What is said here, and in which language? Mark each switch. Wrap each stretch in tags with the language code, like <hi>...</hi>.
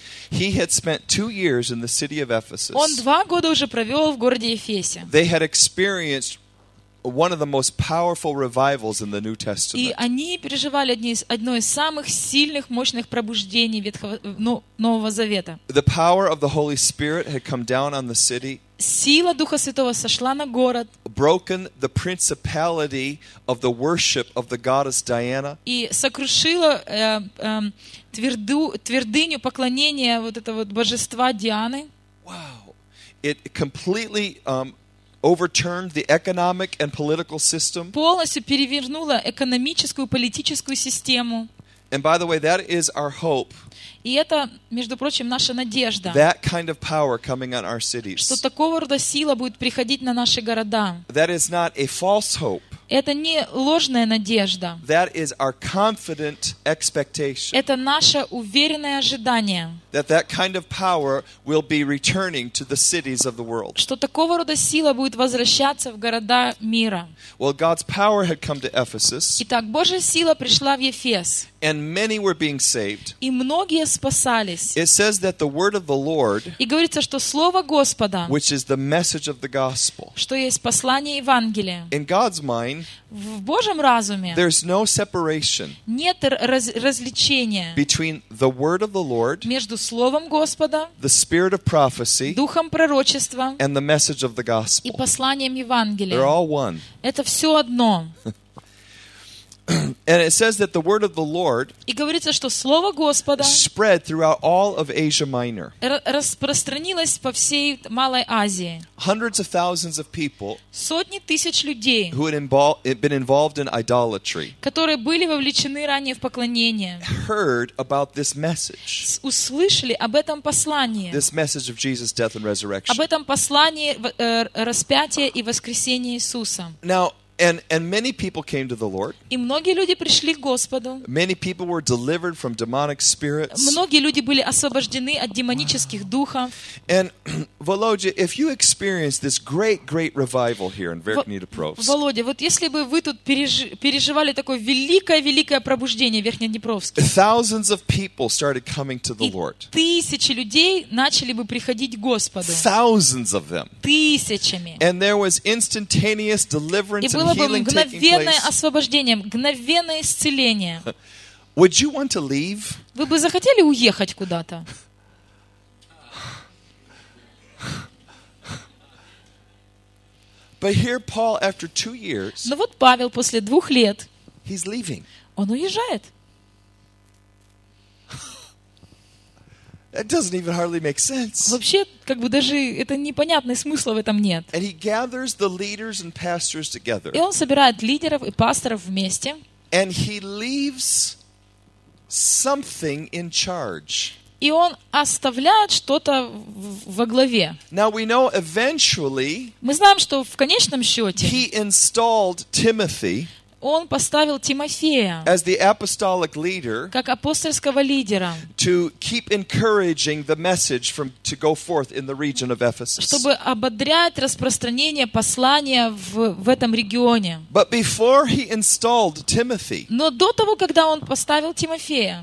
<en>He had spent 2 years in the city of Ephesus.</en> <ru>Он 2 года уже провел в городе Ефесе.</ru> <en>They had experienced one of the most powerful revivals in the New Testament.</en> <ru>И они переживали одно из самых сильных, мощных пробуждений Нового Завета.</ru> <en>The power of the Holy Spirit had come down on the city.</en> <ru>Сила Духа Святого сошла на город.</ru> <en>Broken the principality of the worship of the goddess Diana.</en> <ru>И сокрушила твердыню поклонения вот этого вот божества Дианы.</ru> <en>Wow. It completely overturned the economic and political system.</en> <ru>Полностью перевернула экономическую и политическую систему.</ru> <en>And by the way, that is our hope.</en> <ru>И это, между прочим, наша надежда.</ru> <en>That kind of power coming on our cities.</en> <ru>Что такого рода сила будет приходить на наши города.</ru> <en>That is not a false hope.</en> <ru>Это не ложная надежда.</ru> <en>That is our confident expectation.</en> <ru>Это наше уверенное ожидание.</ru> <en>That that kind of power will be returning to the cities of the world.</en> <ru>Что такого рода сила будет возвращаться в города мира.</ru> <en>Well, God's power had come to Ephesus.</en> <ru>Итак, Божья сила пришла в Ефес.</ru> <en>And many were being saved.</en> <ru>И многие спасались.</ru> <en>It says that the word of the Lord.</en> <ru>И говорится, что слово Господа.</ru> <en>Which is the message of the gospel.</en> <ru>Что есть послание Евангелия.</ru> <en>In God's mind.</en> <ru>В Божьем разуме.</ru> <en>There's no separation.</en> <ru>Нет различения.</ru> <en>Between the word of the Lord.</en> <ru>Между словом Господа.</ru> <en>The spirit of prophecy.</en> <ru>Духом пророчества.</ru> <en>And the message of the gospel.</en> <ru>И посланием Евангелия.</ru> <en>They're all one.</en> <ru>Это все одно.</ru> <en>And it says that the word of the Lord</en> <ru>И говорится, что слово Господа</ru> <en>spread throughout all of Asia Minor.</en> <ru>Распространилось по всей Малой Азии.</ru> <en>Hundreds of thousands of people</en> <ru>Сотни тысяч людей</ru> <en>who had been involved in idolatry</en> <ru>которые были вовлечены ранее в поклонение</ru> <en>heard about this message.</en> <ru>Услышали об этом послании.</ru> <en>This message of Jesus' death and resurrection.</en> <ru>Об этом послании распятия и воскресения Иисуса.</ru> <en>Now, And many people came to the Lord.</en> <ru>И многие люди пришли к Господу.</ru> <en>Many people were delivered from demonic spirits.</en> <ru>Многие люди были освобождены от демонических духов.</ru> <en>And Володя, if you experienced this great, great revival here in Верхняя Днепровск.</en> <ru>Володя, вот если бы вы тут переживали такое великое, великое пробуждение в Верхнеднепровске.</ru> <en>Thousands of people started coming to the Lord.</en> <ru>И тысячи людей начали бы приходить к Господу.</ru> <en>Thousands of them.</en> <ru>Тысячами.</ru> <en>And there was instantaneous deliverance.</en> <ru>Было бы мгновенное освобождение, мгновенное исцеление.</ru> <en>Would you want to leave?</en> <ru>Вы бы захотели уехать куда-то?</ru> <en>But here Paul, after 2 years,</en> <ru>Но вот Павел после 2 лет</ru> <en>he's leaving.</en> <ru>Он уезжает.</ru> <en>It doesn't even hardly make sense.</en> <ru>Вообще, как бы даже это непонятный смысл в этом нет.</ru> <en>And he gathers the leaders and pastors together.</en> <ru>И он собирает лидеров и пасторов вместе.</ru> <en>And he leaves something in charge.</en> <ru>И он оставляет что-то во главе.</ru> <en>Now we know eventually.</en> <ru>Мы знаем, что в конечном счете.</ru> <en>He installed Timothy.</en> <ru>Он поставил Тимофея</ru> <en>as the apostolic leader,</en> <ru>как апостольского лидера</ru> <en>to keep encouraging the message from, to go forth in the region of Ephesus.</en> <ru>Чтобы ободрять распространение послания в этом регионе.</ru> <en>But before he installed Timothy,</en> <ru>Но до того, когда он поставил Тимофея,</ru>